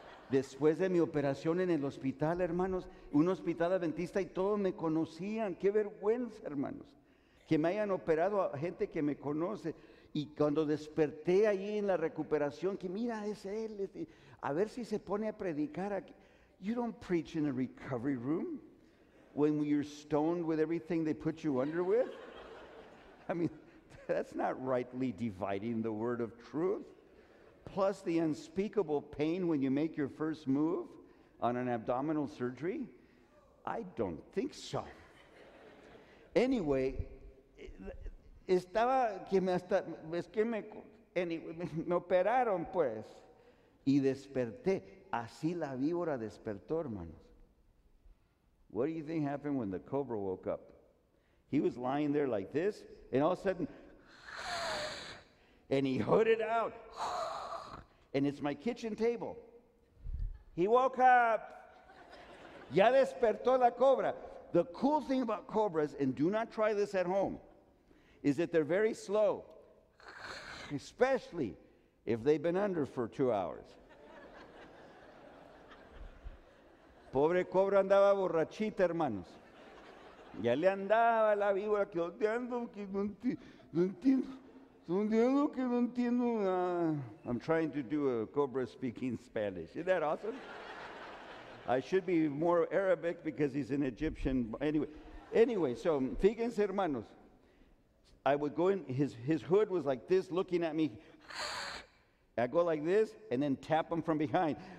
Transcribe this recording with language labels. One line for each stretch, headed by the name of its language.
Spanish: Después de mi operación en el hospital, hermanos, un hospital adventista y todos me conocían. Qué vergüenza, hermanos, que me hayan operado a gente que me conoce. Y cuando desperté allí en la recuperación, que mira, es él, a ver si se pone a predicar aquí.
English: You don't preach in a recovery room when you're stoned with everything they put you under with. I mean, that's not rightly dividing the word of truth. Plus the unspeakable pain when you make your first move on an abdominal surgery? I don't think so.
Spanish: Anyway, estaba que me hasta, es que me, anyway, me operaron pues, y desperté. Así la víbora despertó, hermanos.
English: What do you think happened when the cobra woke up? He was lying there like this, and all of a sudden, and he hooded out. And it's my kitchen table. He woke up.
Spanish: Ya despertó la cobra.
English: The cool thing about cobras, and do not try this at home, is that they're very slow, especially if they've been under for 2 hours.
Spanish: Pobre cobra andaba borrachita, hermanos. Ya le andaba la víbora que no entiendo.
English: I'm trying to do a cobra speaking Spanish. Isn't that awesome? I should be more Arabic because he's an Egyptian. Anyway, so
Spanish: fíjense, hermanos.
English: I would go in, his hood was like this, looking at me. I go like this and then tap him from behind.